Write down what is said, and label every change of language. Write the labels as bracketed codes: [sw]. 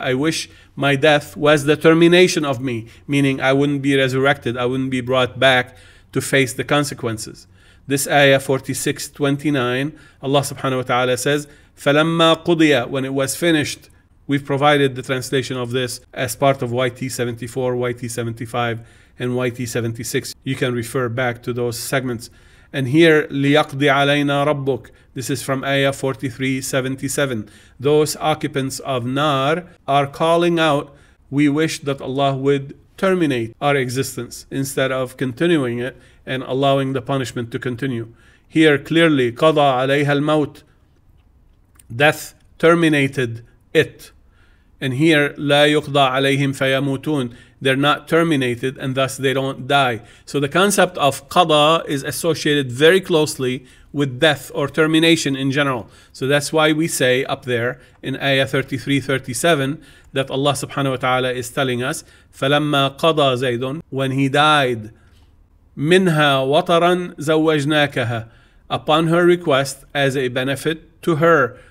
[en] I wish my death was the termination of me, meaning I wouldn't be resurrected, I wouldn't be brought back to face the consequences. This ayah 46:29, Allah subhanahu wa ta'ala says, [ar] فَلَمَّا قُضِيَ, [en] when it was finished. We've provided the translation of this as part of YT74, YT75, and YT76. You can refer back to those segments. And here, [ar] لِيَقْضِ عَلَيْنَا رَبُّكَ. [en] This is from ayah 43:77. Those occupants of Nar are calling out, we wish that Allah would terminate our existence instead of continuing it and allowing the punishment to continue. Here, clearly, [ar] قَضَى عَلَيْهَا الْمَوْتِ. [en] Death terminated it. And here, [ar] لَا يُقْضَى عَلَيْهِمْ فَيَمُوتُونَ. [en] they're not terminated, and thus they don't die. So the concept of qada is associated very closely with death or termination in general. So that's why we say up there in ayah 33-37 that Allah subhanahu wa ta'ala is telling us, [ar] فَلَمَّا قَضَى زَيْدٌ, [en] when he died, [ar] مِنْهَا وَطَرًا زَوَّجْنَاكَهَا, [en] upon her request as a benefit to her.